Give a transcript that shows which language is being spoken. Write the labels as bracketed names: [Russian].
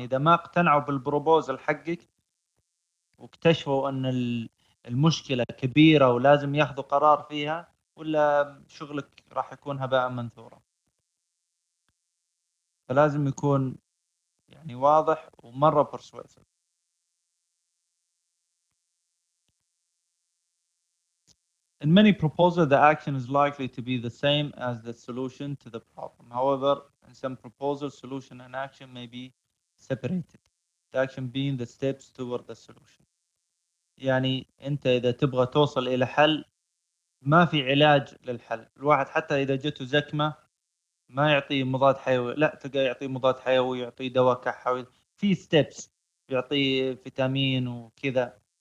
[Arabic] إذا ما اقتنعوا بالبروبوزر حقك واكتشفوا أن المشكلة كبيرة ولازم ياخذوا قرار فيها، ولا شغلك راح يكون هباء منثورا. فلازم يكون يعني واضح ومرة persuasive. [English] In many proposals, the action is likely to be the same as the solution to the problem. However, in some proposals, solution and action may be separated. The action being the steps toward the solution. [Arabic] يعني أنت إذا تبغى توصل إلى حل، ما في علاج للحل. الواحد حتى إذا جته زكمة ما يعطي مضاد حيوي، لا تلقى يعطي مضاد حيوي، يعطي دواء كحة، في steps، يعطي فيتامين وكذا.